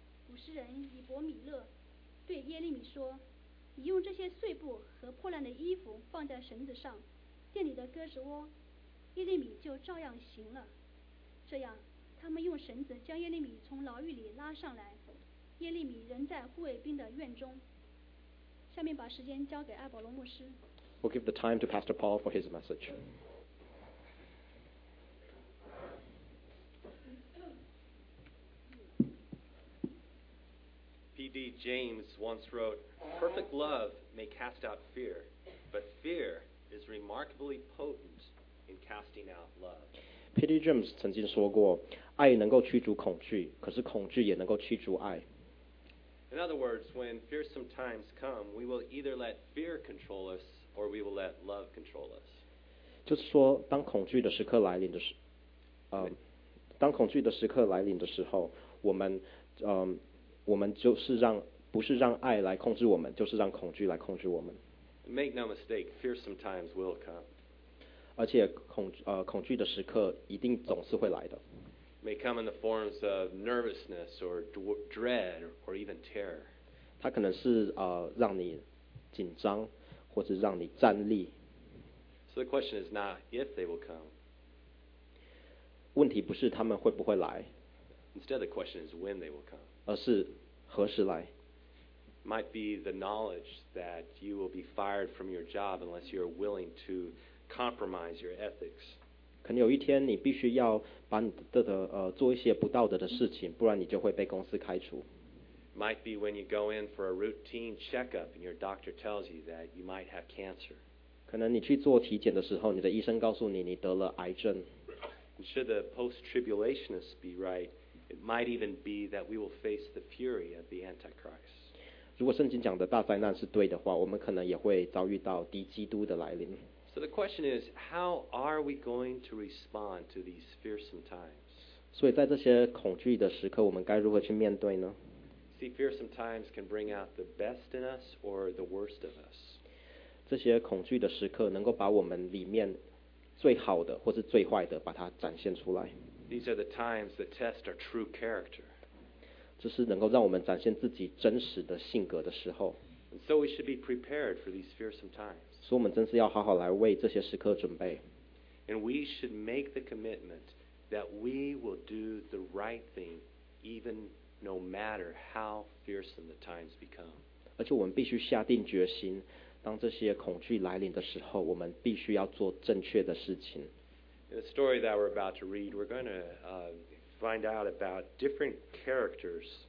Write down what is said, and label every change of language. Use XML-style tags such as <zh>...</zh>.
<zh>古诗人以伯米勒对耶利米说：“你用这些碎布和破烂的衣服放在绳子上，店里的鸽子窝。” 耶利米就照样行了。这样，他们用绳子将耶利米从牢狱里拉上来。耶利米仍在护卫兵的院中。下面把时间交给艾伯罗牧师。</zh> <en>We'll give the time to Pastor Paul for his message. P.D. James once wrote, "Perfect love may cast out fear, but fear is remarkably potent in casting out love." P.D.</en> <zh>James 曾经说过，爱能够驱逐恐惧，可是恐惧也能够驱逐爱。</zh> <en>In other words, when fearsome times come, we will either let fear control us, or we will let love control us.</en> <zh>就是说，当恐惧的时刻来临的时，当恐惧的时刻来临的时候，我们，我们就是让不是让爱来控制我们，就是让恐惧来控制我们。</zh> <en>Make no mistake, fearsome times will come.</en> <zh>而且恐惧的时刻一定总是会来的。</zh> <en>May come in the forms of nervousness or dread or even terror.</en> <zh>它可能是让你紧张，或者让你战栗。</zh> <en>So the question is not if they will come.</en> <zh>问题不是他们会不会来。</zh> <en>Instead, the question is when they will come.</en> <zh>而是何时来</zh> <en>？Might be the knowledge that you will be fired from your job unless you are willing to compromise your ethics.</en> <zh>可能有一天你必须要把你的做一些不道德的事情，不然你就会被公司开除。</zh> <en>Might be when you go in for a routine checkup and your doctor tells you that you might have cancer.</en> <zh>可能你去做体检的时候，你的医生告诉你你得了癌症。</zh> <en>Should the post-tribulationists be right? It might even be that we will face the fury of the Antichrist.</en> <zh>如果圣经讲的大灾难是对的话，我们可能也会遭遇到敌基督的来临。</zh> <en>So the question is, how are we going to respond to these fearsome times?</en> <zh>所以在这些恐惧的时刻，我们该如何去面对呢？</zh> <en>See, fearsome times can bring out the best in us or the worst of us.</en> <zh>这些恐惧的时刻能够把我们里面最好的或是最坏的把它展现出来。</zh> <en>These are the times that test our true character.</en> <zh>这是能够让我们展现自己真实的性格的时候。</zh> <en>And so we should be prepared for these fearsome times.</en> <zh>所以我们真是要好好来为这些时刻准备。</zh> <en>And we should make the commitment that we will do the right thing, even no matter how fearsome the times become.</en> <zh>而且我们必须下定决心，当这些恐惧来临的时候，我们必须要做正确的事情。</zh> <en>In the story that we're about to read, we're going to find out about different characters.</en>